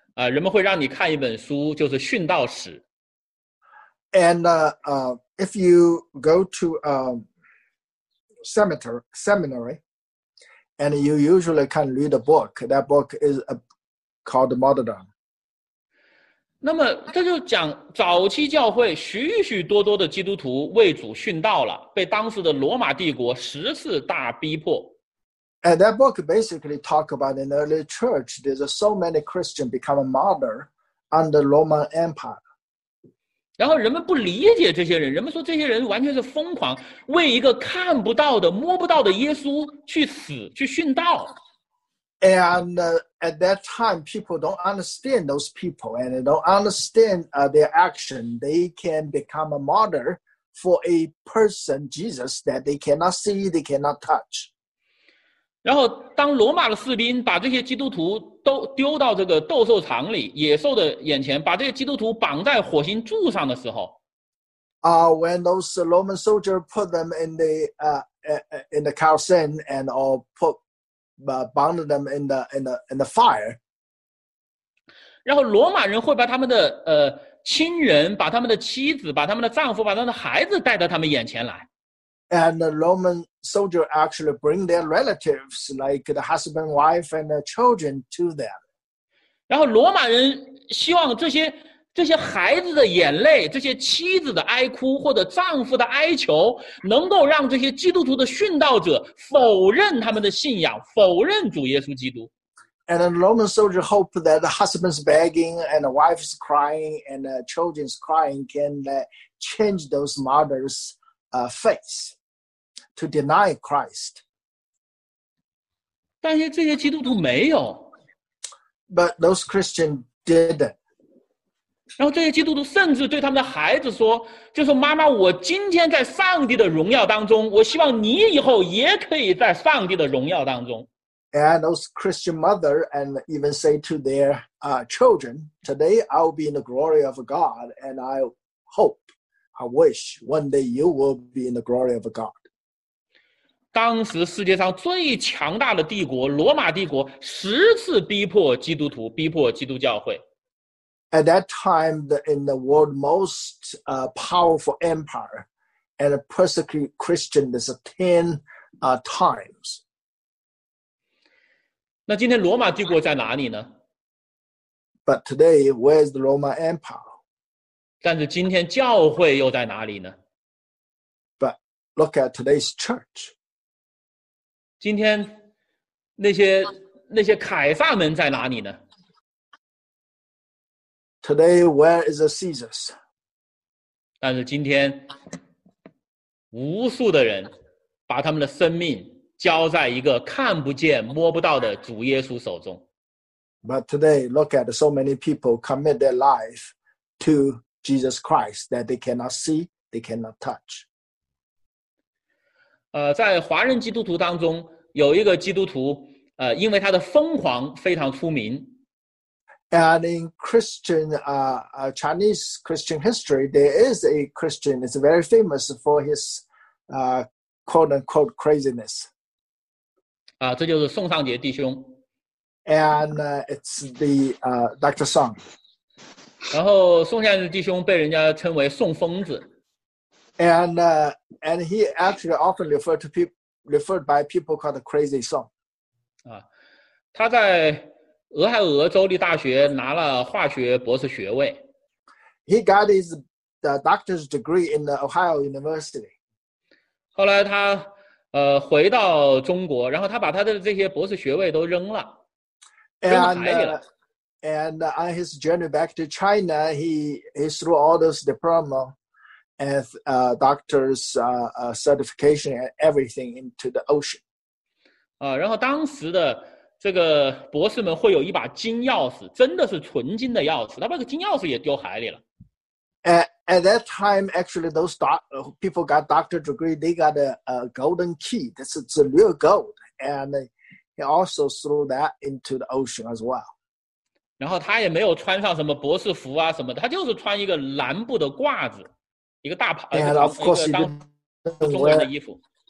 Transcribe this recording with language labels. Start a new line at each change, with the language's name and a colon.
Chinese: 人们会让你看一本书，就是《殉道史》。
English: And if you go to seminary, and you usually can read a book. That book is called Martyrdom.
Chinese: 那么这就讲早期教会许许多多的基督徒为主殉道了，被当时的罗马帝国十次大逼迫。
English: And that book basically talk about an early church. There's so many Christians become a martyr under Roman Empire.
Chinese: 然后人们不理解这些人，人们说这些人完全是疯狂，为一个看不到的、摸不到的耶稣去死、去殉道。
English: And at that time, people don't understand those people, and they don't understand their action. They can become a martyr for a person, Jesus, that they cannot see, they cannot touch.
Chinese: 然后当罗马的士兵把这些基督徒都丢到这个斗兽场里，野兽的眼前，把这些基督徒绑在火星柱上的时候。
English: When those Roman soldiers put them in the Colosseum and or put bound them in the fire.
Chinese: 然后罗马人会把他们的亲人，把他们的妻子，把他们的丈夫，把他们的孩子带到他们眼前来。
English: And the Roman soldier actually bring their relatives, like the husband, wife, and the children, to them.
Chinese: 然后罗马人希望这些孩子的眼泪，这些妻子的哀哭，或者丈夫的哀求，能够让这些基督徒的殉道者否认他们的信仰，否认主耶稣基督。
English: And the Roman soldier hope that the husband's begging and the wife's crying and the children's crying can change those martyrs. Face to deny Christ.
Chinese: 但是这些基督徒没有。
English: But those Christians did.
Chinese: 然后这些基督徒甚至对他们的孩子说，就说妈妈，我今天在上帝的荣耀当中，我希望你以后也可以在上帝的荣耀当中。
English: And those Christian mother and even say to their children, today I'll be in the glory of God and I hope. I wish one day you will be in the glory of God.
Chinese: 当时世界上最强大的帝国，罗马帝国，十次逼迫基督徒，逼迫基督教会。
English: At that time, in the world most powerful empire, and persecute Christians 10 times.
Chinese: 那今天罗马帝国在哪里呢？
English: But today, where is the Roman Empire?
Chinese: 但是今天教会又在哪里呢？
English: But look at today's church.
Chinese: 今天那些凯撒们在哪里呢？
English: Today, where is the Caesars?
Chinese: 但是今天无数的人把他们的生命交在一个看不见摸不到的主耶稣手中。
English: But today, look at so many people commit their life to Jesus Christ that they cannot see, they cannot touch.
Chinese: 在华人基督徒当中，有一个基督徒，因为他的疯狂非常出名。
English: And in Christian, Chinese Christian history, there is a Christian that's very famous for his, quote-unquote craziness.
Chinese: 这就是宋尚杰弟兄。
English: And it's the Dr. Song.
Chinese: 然后宋先生弟兄被人家称为宋疯子。
English: And he actually often referred by people called the Crazy Song.
Chinese: 他在俄亥俄州立大学拿了化学博士学位。
English: He got his doctor's degree in the Ohio University.
Chinese: 后来他回到中国，然后他把他的这些博士学位都扔了。
English: And on his journey back to China, he threw all those diploma and doctor's certification and everything into the ocean.
Chinese: 然后当时的这个博士们会有一把金钥匙，真的是纯金的钥匙，他把个金钥匙也丢海里了。
English: At that time, actually, those people got doctor's degree, they got a golden key. This is a real gold. And he also threw that into the ocean as well.
Chinese: 然后他也没有穿上什么博士服啊什么的，他就是穿一个蓝布的褂子，一个大袍，一个当中国人的衣服。